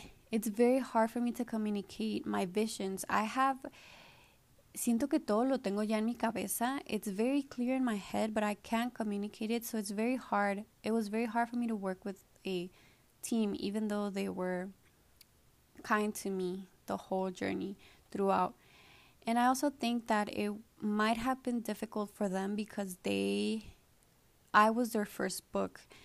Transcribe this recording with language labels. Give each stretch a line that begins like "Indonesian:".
English: It's very hard for me to communicate my visions.
Spanish: Siento que todo lo tengo ya en mi cabeza.
English: It's very clear in my head, but I can't communicate it, so it's very hard. It was very hard for me to work with a team, even though they were kind to me the whole journey throughout. And I also think that it might have been difficult for them because I was their first book.